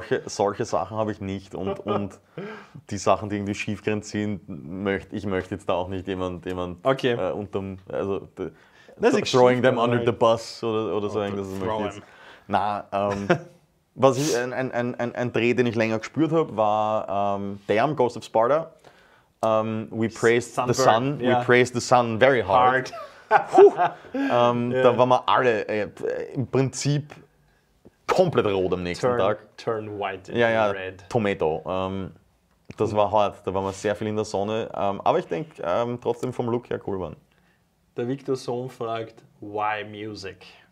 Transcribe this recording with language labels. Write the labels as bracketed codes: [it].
[de] Solche Sachen habe ich nicht und die Sachen, die irgendwie schiefgrenzt sind, möchte ich jetzt da auch nicht jemand okay. Unterm. Also, [en] throwing them under the bus [de] oder so irgendwas. [en] Throw them. [de] Nein, was ich. Ein Dreh, den ich länger gespürt habe, war Damn, Ghost of Sparta. [en] We praised the sun very hard. [de] Da waren wir alle im Prinzip komplett rot am nächsten Tag. [en] Turn white into red. Tomato. [de] Das war hart, da waren wir sehr viel in der Sonne. Aber ich denke, trotzdem vom Look her cool waren. Der Victor Sohn fragt, [en] why music?